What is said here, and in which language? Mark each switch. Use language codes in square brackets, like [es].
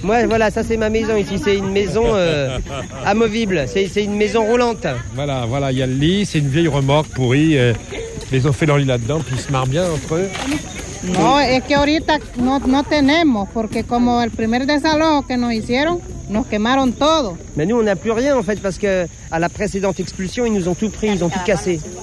[fr] Moi, voilà, ça c'est ma maison ici, c'est une maison amovible, c'est une maison roulante. Voilà, voilà, il y a le lit, c'est une vieille remorque pourrie, ils ont fait leur lit là-dedans, puis ils se marrent bien entre eux. [es] Non, es que ahorita no, no tenemos, porque como el primer desalojo que nos hicieron, nos quemaron todo. [fr] Mais nous, on n'a plus rien en fait, parce qu'à la précédente expulsion, ils nous ont tout pris, ils ont tout cassé.